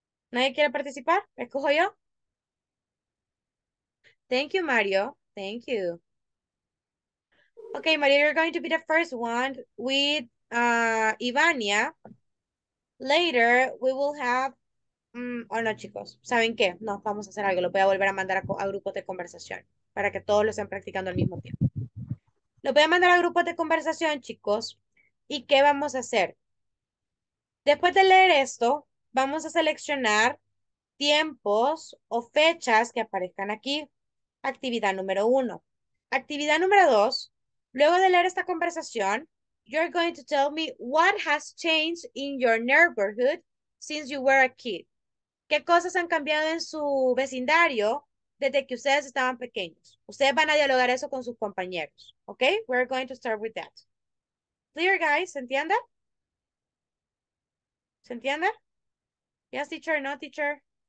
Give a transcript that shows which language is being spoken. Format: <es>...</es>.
<es>¿Nadie quiere participar? ¿Escojo yo?</es> <en>Thank you, Mario. Thank you. Okay, Mario, you're going to be the first one with Ivania. Later, we will have... oh, no,</en> <es>chicos. ¿Saben qué? No, vamos a hacer algo. Lo voy a volver a mandar a grupos de conversación para que todos lo estén practicando al mismo tiempo. Lo voy a mandar a grupos de conversación, chicos. ¿Y qué vamos a hacer? Después de leer esto, vamos a seleccionar tiempos o fechas que aparezcan aquí. Actividad número 1. Actividad número 2. Luego de leer esta conversación,</es> <en>you're going to tell me what has changed in your neighborhood since you were a kid.</en> <es>¿Qué cosas han cambiado en su vecindario desde que ustedes estaban pequeños? Ustedes van a dialogar eso con sus compañeros.</es> <en>¿Ok? We're going to start with that. Clear, guys.</en> <es>¿Se entiende? ¿Se entiende?</es> <en>Yes, teacher. No, teacher.</en>